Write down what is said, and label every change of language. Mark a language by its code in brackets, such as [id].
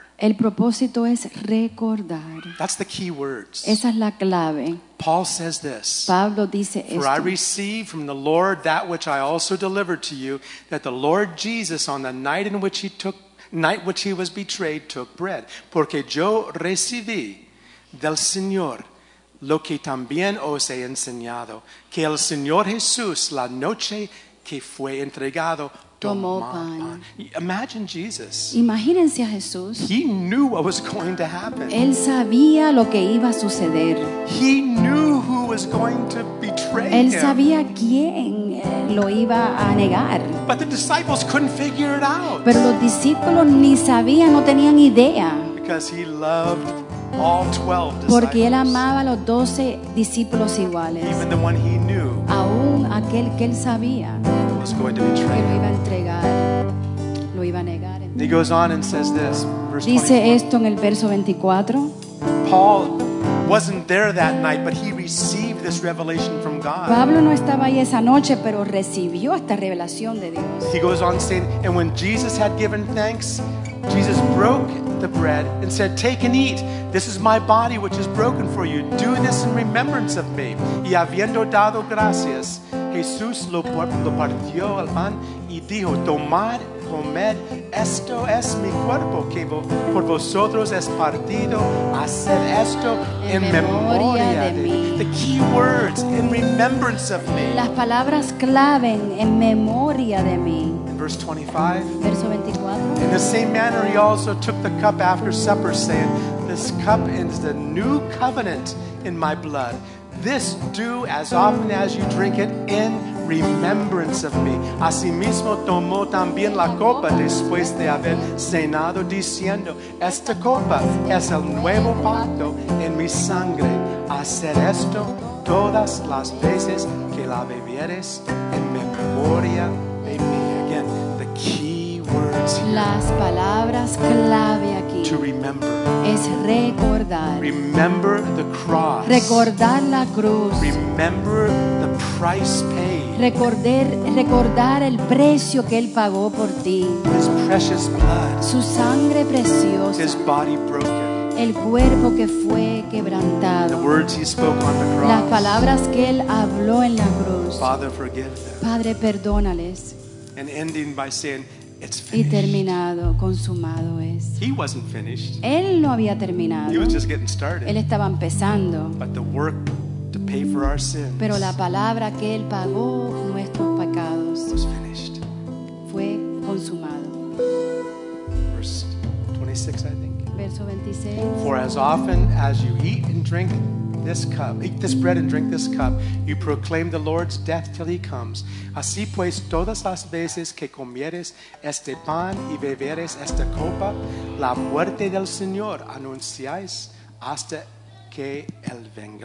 [es] El propósito es recordar. [en] That's the key words. [es] Esa es la clave. [en] Paul says this. [es] Pablo dice esto. [en] For I received from the Lord that which I also delivered to you, that the Lord Jesus, on the night in which he was betrayed, took bread. [es] Porque yo recibí del Señor lo que también os he enseñado, que el Señor Jesús, la noche que fue entregado, tomó pan. [en] Imagine Jesus. [es] Imagínense a Jesús. [en] He knew what was going to happen. [es] Él sabía lo que iba a suceder. [en] He knew who was going to betray him. [es] Él sabía quién lo iba a negar. [en] But the disciples couldn't figure it out. [es] Pero los discípulos ni sabían, no tenían idea. [en] Because he loved all 12 disciples. [es] Porque él amaba a los 12 discípulos iguales. [en] Even the one he knew. [es] Aún aquel que él sabía. [en] Was going to betray. [es] Que lo iba a entregar, lo iba a negar. [en] He goes on and says this, verse [es] 24. Dice esto en el verso 24. [en] Paul wasn't there that night, but he received this revelation from God. [es] Pablo no estaba ahí esa noche, pero recibió esta revelación de Dios. [en] He goes on saying, and when Jesus had given thanks, Jesus broke the bread and said, "Take and eat. This is my body, which is broken for you. Do this in remembrance of me." [es] Y habiendo dado gracias, Jesús lo partió el pan y dijo, "Tomad, comed, esto es mi cuerpo que por vosotros es partido. Haced esto en memoria de mí." [en] The key words, in remembrance of me. [es] Las palabras clave en memoria de mí. [en] Verse 25. [es] Verso 24. [en] In the same manner, he also took the cup after supper, saying, "This cup is the new covenant in my blood. This do as often as you drink it in remembrance of me." [es] Asimismo tomó también la copa después de haber cenado, diciendo, "Esta copa es el nuevo pacto en mi sangre. Haced esto todas las veces que la bebieres en memoria de mí." [en] Again, the key words here. [es] Las palabras clave aquí. [en] To remember. [es] Es recordar. [en] Remember the cross. [es] Recordar la cruz. [en] Remember the price paid. [es] Recordar el precio que él pagó por ti. [en] His precious blood. [es] Su sangre preciosa. [en] His body broken. [es] El cuerpo que fue quebrantado. [en] The words he spoke on the cross. [es] Las palabras que él habló en la cruz. [en] Father, forgive them. [es] Padre, perdónales. [en] And ending by saying, it's finished. [es] Y terminado, consumado es. [en] He wasn't finished. [es] Él no había terminado. [en] He was just getting started. [es] Él estaba empezando. [en] But the work to pay for our sins. [es] Pero la palabra que él pagó nuestros pecados. [en] Was finished. [es] Fue consumado. [en] Verse 26, I think. [es] Verso 26. [en] For as often as you eat and drink this cup, eat this bread and drink this cup, you proclaim the Lord's death till he comes. [es] Así pues, todas las veces que comieres este pan y beberes esta copa, la muerte del Señor anunciáis hasta que él venga.